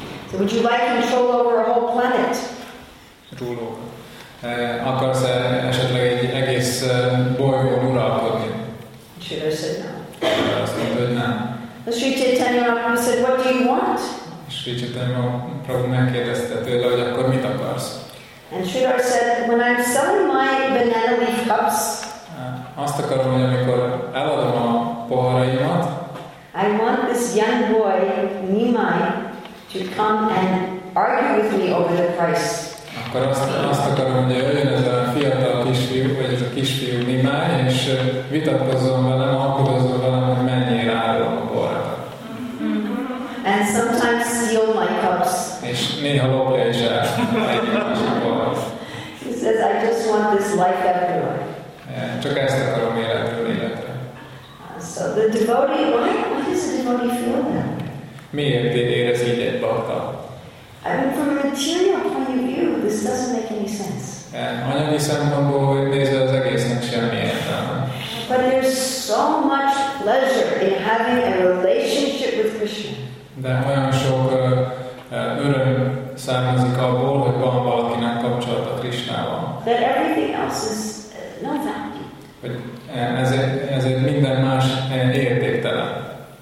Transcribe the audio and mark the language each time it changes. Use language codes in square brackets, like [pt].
[en] So would you like control over a whole planet? Rúló. [hu] Akarsz esetleg egy egész bolygón uralkodni? [en] Sridhar said no. [hu] Azt mondta, hogy nem. [en] And Sri Chaitanya Mahaprabhu said, what do you want? [hu] Sri Chaitanya Mahaprabhu megkérdezte tőle, hogy akkor mit akarsz? [en] And Sridhar said, when I'm selling my banana leaf cups, [hu] azt akarom, hogy amikor eladom a poharaimat, [en] I want this young boy, Nimai, to come and argue with me over the price. [hu] Akkor azt akarom, hogy jöjjön ez a fiatal kisfiú, vagy ez a kisfiú Nimai, és vitatkozzon velem, alkudozzon velem, hogy mennyire árulom a borát. [en] And sometimes steal my cups. [hu] És néha lopja is el. [en] He says, I just want this life everywhere. [hu] Csak ezt akarom életre. [en] So the devotee, why does the devotee feel that? [hu] Miért érez így egy bhakta? [en] I mean, from a material point of view, this doesn't make any sense. [hu] Anyagi szempontból nézve az egésznek semmi értelme. [en] But there's so much pleasure in having a relationship with Krishna. [hu] De olyan sok öröm származik abból, hogy van valakinek kapcsolat a Krishnával. [en] That everything else is no value. [hu] Ezért minden más értéktelen.